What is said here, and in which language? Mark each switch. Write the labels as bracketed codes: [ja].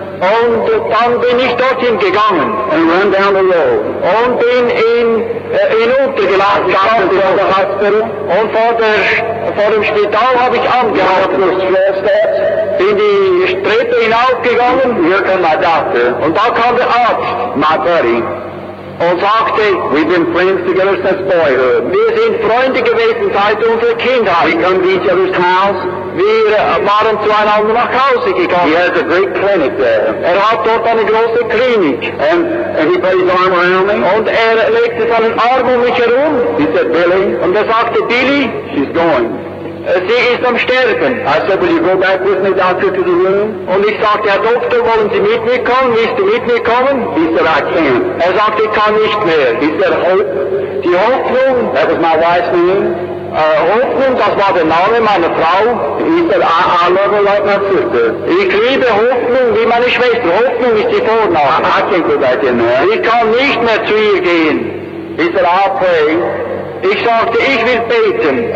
[de] Und dann bin ich dorthin gegangen. [en] And run down the road. [de] Und bin hinuntergelassen. [en] I got to the hospital. [de] Und vor dem Spital habe ich angehalten. Bin die Treppe hinaufgegangen. [en] Here came my doctor. [de] Und da kam der Arzt. [en] My buddy. [de] Und sagte, [en] "We've been friends together since boyhood." [de] Wir sind Freunde gewesen seit unserer Kindheit. [en] We come to each other's house. [de] Wir waren zueinander nach Hause gegangen. [en] He has a great clinic there. [de] Hat dort eine große Klinik. [en] And he put his arm around me. [de] Und legte seinen Arm um mich herum. [en] He said, "Billy." [de] Und sagte, "Billy." [en] "She's going." [de] Sie ist am Sterben. [en] I said, "Will you go back with me, doctor, to the room?" [de] Und ich sagte, "Herr Doktor, wollen Sie mit mir kommen? Willst du mit mir kommen?" [en] He said, "I can't." [de] Sagte, "Ich kann nicht mehr." [en] He said, "Hope." [de] Die Hoffnung. [en] That was my wife's name. [de] Hoffnung, das war der Name meiner Frau. [en] He said, "I love her like my sister." [de] Ich liebe Hoffnung wie meine Schwester. Hoffnung ist die Vorname. [en] I can't go back in there. [de] Ich kann nicht mehr zu ihr gehen. [en] He said, "I'll pray." [de] Ich sagte, "Ich will beten."